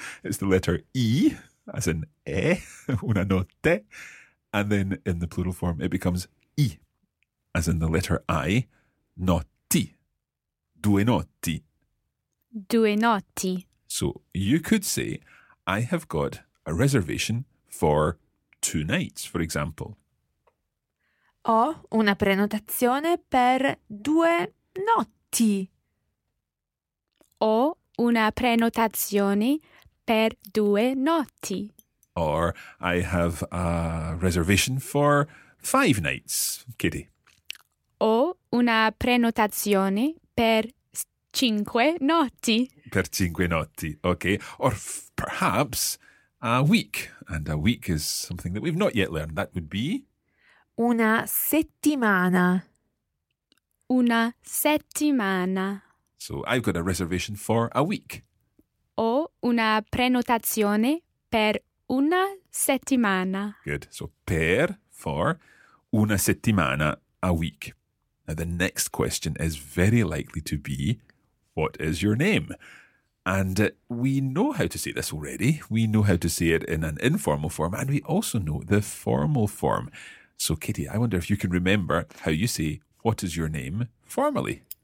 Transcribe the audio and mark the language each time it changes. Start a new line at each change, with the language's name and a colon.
English: It's the letter E, as in E,
Italian: una notte,
English: and then in the plural form it becomes I, as in the letter I, notti,
Italian: due notti. Due notti.
English: So you could say, I have got a reservation for two nights, for example.
Italian: Ho una prenotazione per due notti. Ho una prenotazione per due notti.
English: Or I have a reservation for five nights, Kitty.
Italian: Ho una prenotazione per cinque notti. Per cinque notti,
English: okay. Or perhaps a week. And a week is something that we've not yet learned. That would be...
Italian: Una settimana. Una settimana.
English: So I've got a reservation for a week.
Italian: Ho una prenotazione per una settimana.
English: Good. So per, for,
Italian: una settimana,
English: a week. Now the next question is very likely to be, what is your name? And we know how to say this already. We know how to say it in an informal form, and we also know the formal form. So Katie, I wonder if you can remember how you say, what is your name, formally?